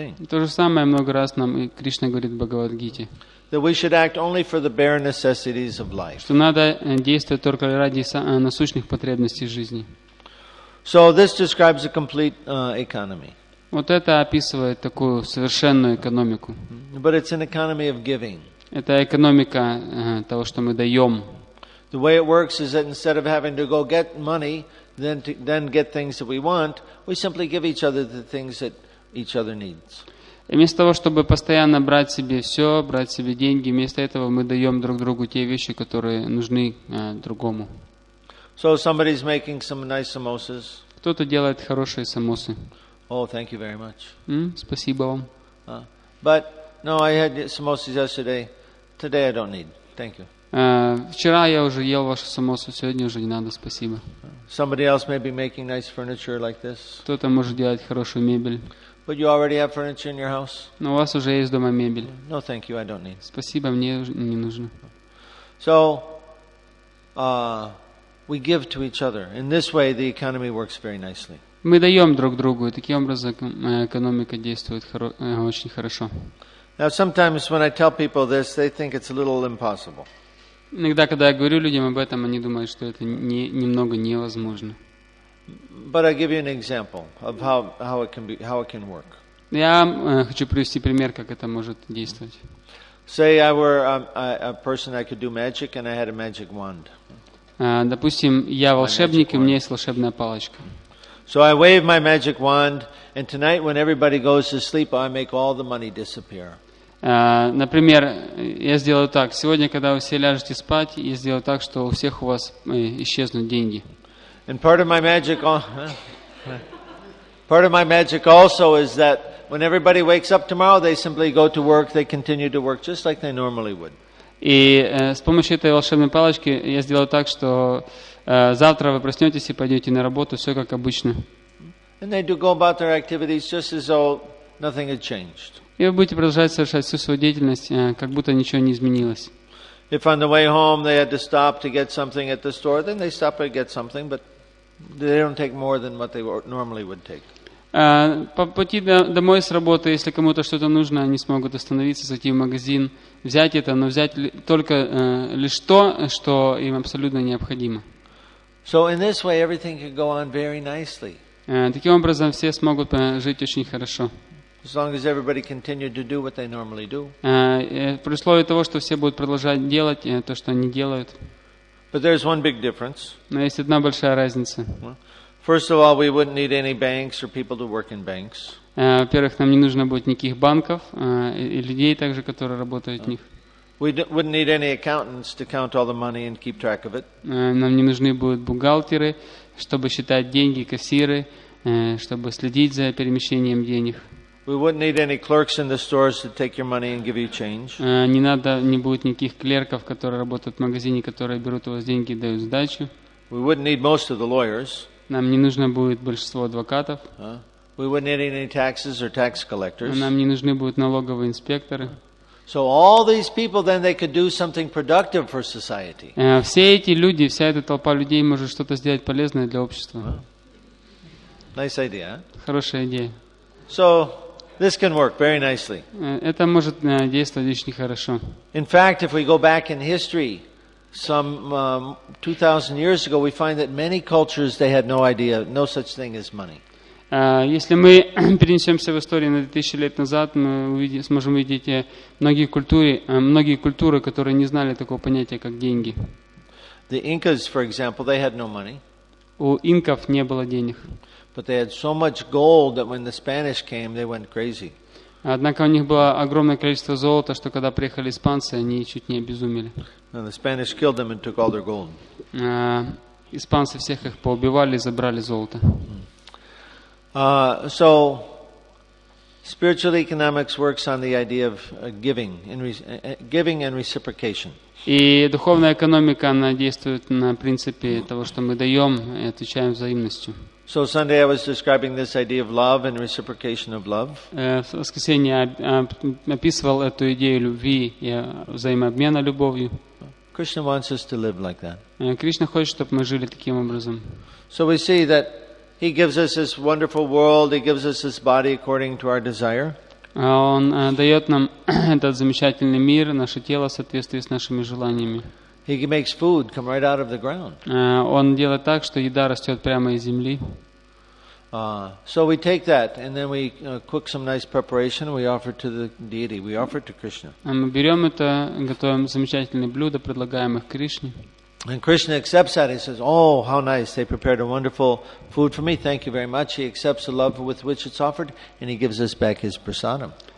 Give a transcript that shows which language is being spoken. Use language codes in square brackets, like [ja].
[ru] То же самое много раз нам и Кришна говорит в Бхагавад-гите. [en] That we should act only for the bare necessities of life. [ru] Что надо действовать только ради насущных потребностей жизни. [en] So this describes a complete economy. [ru] Вот это описывает такую совершенную экономику. [en] But it's an economy of giving. [ru] Это экономика того, что мы даем. [en] The way it works is that instead of having to go get money, then get things that we want, we simply give each other the things that each other needs. [ru] И вместо того, чтобы постоянно брать себе все, брать себе деньги, вместо этого мы даем друг другу те вещи, которые нужны другому. [en] So somebody's making some nice samosas. [ru] Кто-то делает хорошие самосы. [en] Oh, thank you very much. [ru] Спасибо вам. [en] But no, I had samosas yesterday. Today I don't need. Thank you. [ru] Вчера я уже ел ваши самосы, сегодня уже не надо, спасибо. [en] Somebody else may be making nice furniture like this. [ru] Кто-то может делать хорошую мебель. [en] But you already have furniture in your house. [ru] Но у вас уже есть дома мебель. [en] No, thank you. I don't need. [ru] Спасибо, мне не нужно. [en] So, we give to each other. In this way, the economy works very nicely. [ru] Мы даем друг другу, и таким образом экономика действует очень хорошо. [en] Now, sometimes when I tell people this, they think it's a little impossible. [ru] Иногда, когда я говорю людям об этом, они думают, что это немного невозможно. [en] But I give you an example of how it can work. [ru] Я хочу привести пример, как это может действовать. [en] Say I were a person I could do magic and I had a magic wand. [ru] Допустим, я волшебник, и у меня есть волшебная палочка. [en] So I wave my magic wand, and tonight when everybody goes to sleep, I make all the money disappear. [ru] Например, я сделаю так. Сегодня, когда вы все ляжете спать, я сделаю так, что у всех у вас исчезнут деньги. [en] And part of my magic also is that when everybody wakes up tomorrow, they simply go to work, they continue to work just like they normally would. [ru] И с помощью этой волшебной палочки я сделаю так, что завтра вы проснетесь и пойдете на работу, все как обычно. [en] And they do go about their activities just as though nothing had changed. [ru] И вы будете продолжать совершать всю свою деятельность, как будто ничего не изменилось. По пути домой с работы, если кому-то что-то нужно, они смогут остановиться, зайти в магазин, взять это, но взять только лишь то, что им абсолютно необходимо. [en] So in this way everything can go on very nicely. [ru] Таким образом все смогут жить очень хорошо. [en] As long as everybody continued to do what they normally do. [ru] При условии того, что все будут продолжать делать то, что они делают. [en] But there's one big difference. [ru] Но есть одна большая разница. [en] First of all, we wouldn't need any banks or people to work in banks. [ru] Во-первых, нам не нужно будет никаких банков и людей также, которые работают в них. [en] We wouldn't need any accountants to count all the money and keep track of it. [ru] Нам не нужны будут бухгалтеры, чтобы считать деньги, кассиры, чтобы следить за перемещением денег. [en] We wouldn't need any clerks in the stores to take your money and give you change. [ru] Не будет никаких клерков, которые работают в магазине, которые берут у вас деньги и дают сдачу. [en] We wouldn't need most of the lawyers. [ru] Нам не нужно будет большинство адвокатов. [en] We wouldn't need any taxes or tax collectors. [ru] Нам не нужны будут налоговые инспекторы. [en] So all these people, then they could do something productive for society. [ru] Все эти люди, вся эта толпа людей может что-то сделать полезное для общества. [en] Nice idea. [ru] Хорошая идея. [en] So this can work very nicely. [ru] Это может действовать очень хорошо. [en] In fact, if we go back in history, some 2,000 years ago, we find that many cultures they had no idea, no such thing as money. [ru] Если мы перенесемся в историю на 2000 лет назад, мы сможем увидеть многие культуры, которые не знали такого понятия, как деньги. [en] The Incas, for example, they had no money. [ru] У инков не было денег. [en] But they had so much gold that when the Spanish came, they went crazy. [ru] Однако у них было огромное количество золота, что когда приехали испанцы, они чуть не обезумели. [en] And the Spanish killed them and took all their gold. [ru] Испанцы всех их поубивали и забрали золото. [en] So spiritual economics works on the idea of giving and reciprocation. [ru] И духовная экономика она действует на принципе того, что мы даем и отвечаем взаимностью. [en] So Sunday I was describing this idea of love and reciprocation of love. [ru] В воскресенье я описывал эту идею любви и взаимообмена любовью. [en] Krishna wants us to live like that. [ru] Кришна хочет, чтобы мы жили таким образом. [en] So we see that He gives us this wonderful world. He gives us this body according to our desire. [ru] Он дает нам этот замечательный мир, наше тело в соответствии с нашими желаниями. [en] He makes food come right out of the ground. [ru] Он делает так, что еда растет прямо из земли. [en] So we take that and then we cook some nice preparation. We offer to the deity. We offer to Krishna. [ru] Мы берем это, готовим замечательные блюда, предлагаем их Кришне. [en] And Krishna accepts that. He says, "Oh, how nice! They prepared a wonderful food for me. Thank you very much." He accepts the love with which it's offered, and he gives us back his prasadam.